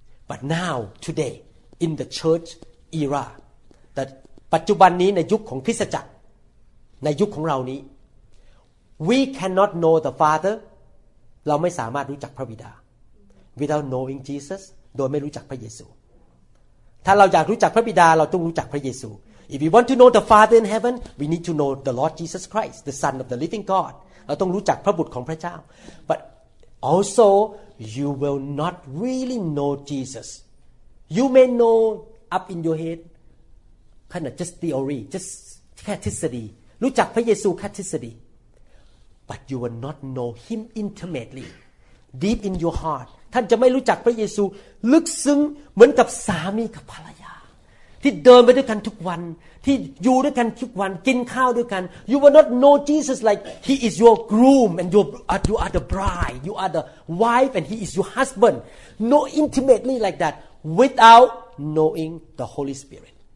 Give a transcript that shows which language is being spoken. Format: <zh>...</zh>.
<en>but now today in the church era</en> <th>แต่ปัจจุบันนี้ในยุคของคริสตจักรในยุคของเรานี้</th> <en>we cannot know the father</en> <th>เราไม่สามารถรู้จักพระบิดา</th> <en>without knowing Jesus</en> <th>โดยไม่รู้จักพระเยซูถ้าเราอยากรู้จักพระบิดาเราต้องรู้จักพระเยซู</th> <en>If we want to know the Father in heaven, we need to know the Lord Jesus Christ, the Son of the living God.</en> <th>เราต้องรู้จักพระบุตรของพระเจ้า</th> <en>But also, you will not really know Jesus. You may know up in your head, kind of just theory, just catechism.</en> <th>รู้จักพระเยซู catechism.</th> <en>But you will not know him intimately, deep in your heart.</en> <th>ท่านจะไม่รู้จักพระเยซูลึกซึ้งเหมือนกับสามีกับภรรยาที่เดินไปด้วยกันทุกวันที่อยู่ด้วยกันทุกวันกินข้าวด้วยกัน</th> <en>you will not know Jesus like he is your groom and you are the bride you are the wife and he is your husband no intimately like that without knowing the Holy Spirit</en>